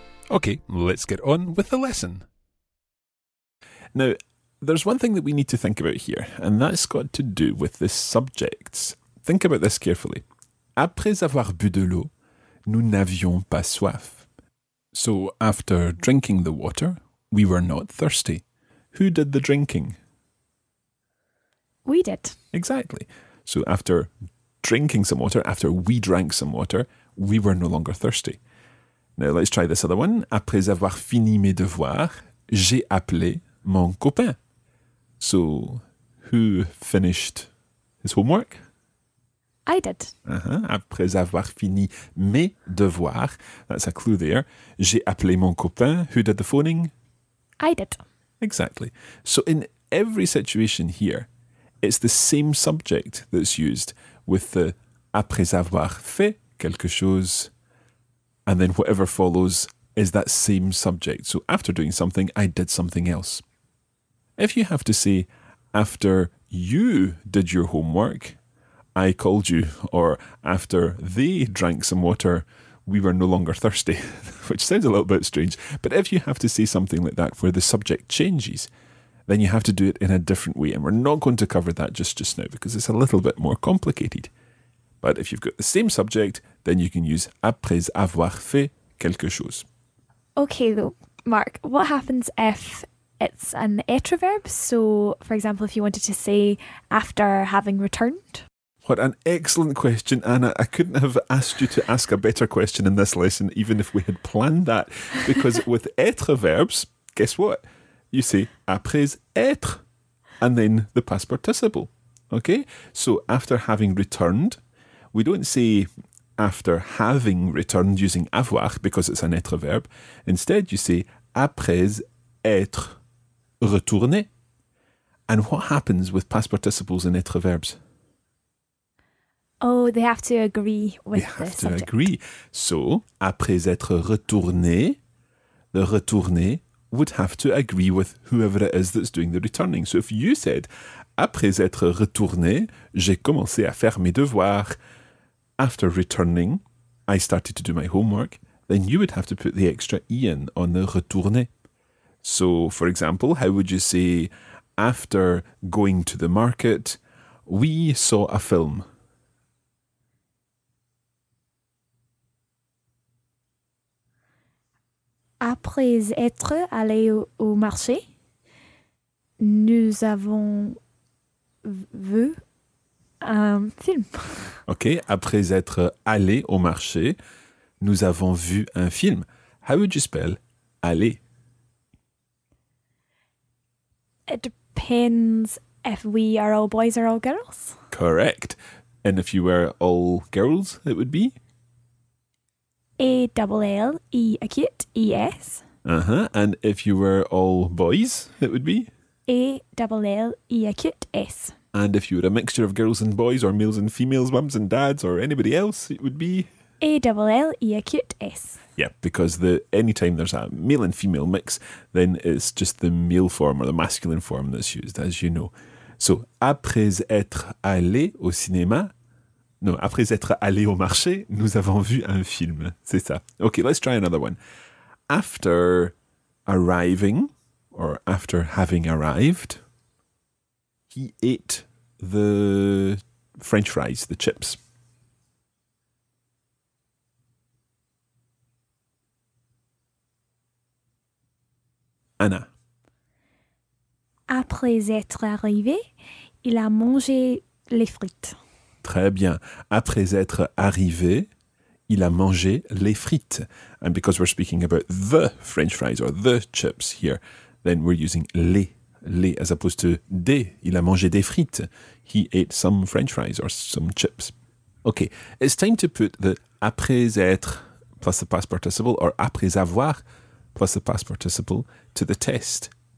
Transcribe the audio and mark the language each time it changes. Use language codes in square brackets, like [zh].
[en] Okay, let's get on with the lesson. Now, there's one thing that we need to think about here, and that's got to do with the subjects. Think about this carefully. [fr] Après avoir bu de l'eau, nous n'avions pas soif. [en] So, after drinking the water, we were not thirsty. Who did the drinking? We did. Exactly. So, after drinking some water, after we drank some water, we were no longer thirsty. Now, let's try this other one. [fr] Après avoir fini mes devoirs, j'ai appelé mon copain. [en] So, who finished his homework? I did. [fr] Après avoir fini mes devoirs, [en] that's a clue there. [fr] J'ai appelé mon copain. [en] Who did the phoning? I did. Exactly. So, in every situation here, it's the same subject that's used with the [fr] après avoir fait quelque chose. [en] And then whatever follows is that same subject. So after doing something, I did something else. If you have to say, after you did your homework, I called you. Or after they drank some water, we were no longer thirsty. Which sounds a little bit strange. But if you have to say something like that where the subject changes, then you have to do it in a different way. And we're not going to cover that just now because it's a little bit more complicated. But if you've got the same subject, then you can use [fr] après avoir fait quelque chose. [en] Okay, though, Mark, what happens if it's an etroverb? So, for example, if you wanted to say after having returned? What an excellent question, Anna. I couldn't have asked you to ask a better question in this lesson, even if we had planned that. Because with etroverbs, guess what? You say [fr] après être [en] and then the past participle. Okay, so after having returned, we don't say after having returned using avoir because it's an être verb. Instead, you say [fr] après être retourné. [en] And what happens with past participles and être verbs? Oh, they have to agree with the subject. They have to agree. So, [fr] après être retourné, [en] the retourné would have to agree with whoever it is that's doing the returning. So if you said, [fr] après être retourné, j'ai commencé à faire mes devoirs. [en] After returning, I started to do my homework, then you would have to put the extra E in on the retourner. So, for example, how would you say, after going to the market, we saw a film? [fr] Après être allé au marché, nous avons vu un film. [en] OK. [fr] Après être allé au marché, nous avons vu un film. [en] How would you spell aller? It depends if we are all boys or all girls. Correct. And if you were all girls, it would be? A-double-L-E-acute-E-S. Uh-huh. And if you were all boys, it would be? A-double-L-E-acute-S. And if you were a mixture of girls and boys, or males and females, mums and dads, or anybody else, it would be? A-double-L-E-acute-S. Yeah, because the any time there's a male and female mix, then it's just the male form or the masculine form that's used, as you know. [fr] So, après être allé au cinéma, no, après être allé au marché, nous avons vu un film. C'est ça. [en] Okay, let's try another one. After arriving, or after having arrived, he ate the French fries, the chips. Anna. [fr] Après être arrivé, il a mangé les frites. Très bien. Après être arrivé, il a mangé les frites. [en] And because we're speaking about the French fries or the chips here, then we're using les as opposed to des. [fr] Il a mangé des frites. [en] He ate some French fries or some chips. OK. It's time to put the après être plus the past participle or après avoir plus the past participle to the test.